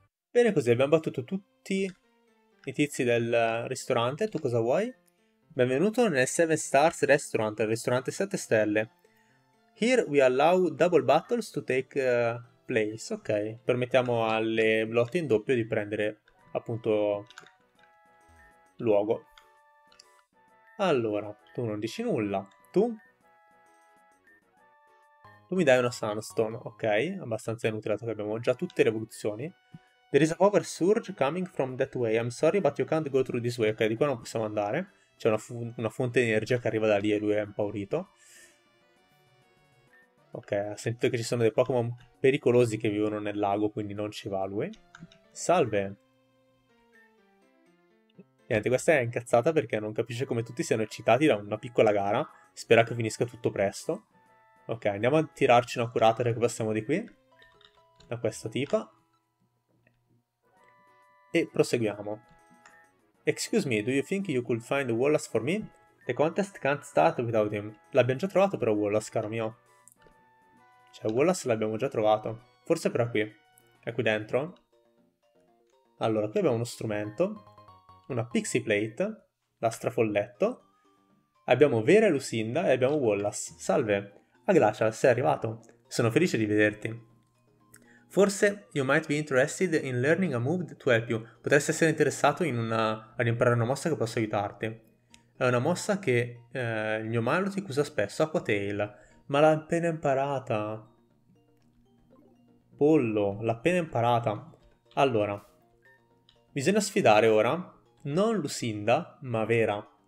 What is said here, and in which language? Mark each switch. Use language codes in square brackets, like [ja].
[it] Bene così, abbiamo battuto tutti i tizi del ristorante, tu cosa vuoi? Benvenuto nel 7 Stars Restaurant, il ristorante 7 stelle. [en] Here we allow double battles to take place. [it] Ok, permettiamo alle lotte in doppio di prendere appunto luogo. Allora, tu non dici nulla, tu? Tu mi dai una Sunstone, ok, abbastanza inutile dato che abbiamo già tutte le evoluzioni. [en] There is a power surge coming from that way. I'm sorry, but you can't go through this way. [it] Ok, di qua non possiamo andare. C'è una fonte di energia che arriva da lì e lui è impaurito. Ok, ha sentito che ci sono dei Pokémon pericolosi che vivono nel lago, quindi non ci va lui. Salve. Niente, questa è incazzata perché non capisce come tutti siano eccitati da una piccola gara. Spera che finisca tutto presto. Ok, andiamo a tirarci una curata perché passiamo di qui. Da questa tipa. E proseguiamo. [en] Excuse me, do you think you could find Wallace for me? The contest can't start without him. [it] L'abbiamo già trovato però Wallace, caro mio. Cioè, Wallace l'abbiamo già trovato. Forse però qui. È qui dentro. Allora, qui abbiamo uno strumento. Una Pixie Plate. L'astrafolletto. Abbiamo Vera e Lucinda e abbiamo Wallace. Salve. A Glacia, sei arrivato. Sono felice di vederti. Forse [en] you might be interested in learning a move to help you. [it] Potresti essere interessato ad imparare una mossa che possa aiutarti. È una mossa che il mio Milotic usa spesso, Aqua Tail. Ma l'ha appena imparata. Pollo, l'ha appena imparata. Allora, bisogna sfidare ora non Lucinda, ma Vera.